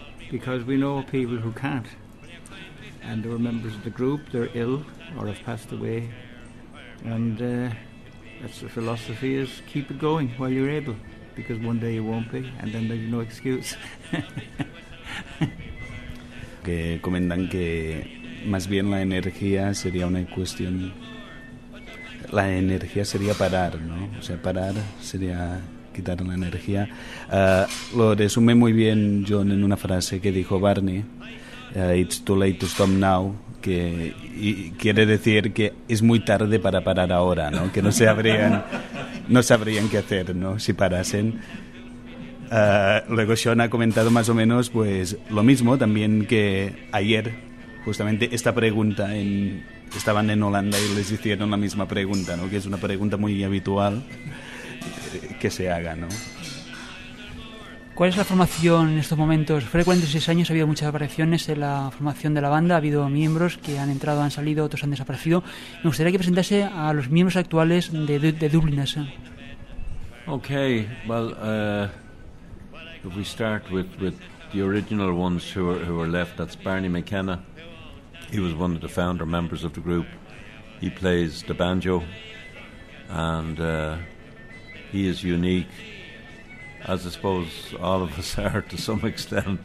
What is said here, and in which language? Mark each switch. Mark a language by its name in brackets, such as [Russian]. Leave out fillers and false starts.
[English] Because we know people who can't. And there are members of the group, they're ill or have passed away. And that's the philosophy, is keep it going while you're able. Because one day you won't be, and then there's no excuse. [Spanish] Que comentan que más bien la energía sería una cuestión, la energía sería parar, ¿no? O sea, parar sería quitar la energía. Lo resume muy bien John en una frase que dijo Barney, [English] it's too late to stop now, [Spanish] que y quiere decir que es muy tarde para parar ahora, ¿no? Que no sabrían qué hacer, ¿no? Si parasen. Luego Sean ha comentado más o menos pues lo mismo también que ayer, justamente esta pregunta en estaban en Holanda y les hicieron la misma pregunta, ¿no? Que es una pregunta muy habitual que se haga, ¿no? ¿Cuál es la formación en estos momentos? Frecuentes 6 años, ha habido muchas apariciones en la formación de la banda, ha habido miembros que han entrado, han salido, otros han desaparecido. Me gustaría que presentase a los miembros actuales de Dubliners. [English] Okay, well, if we start with the original ones who were left, that's Barney McKenna. He was one of the founder members of the group. He plays the banjo, and he is unique, as I suppose all of us are to some extent.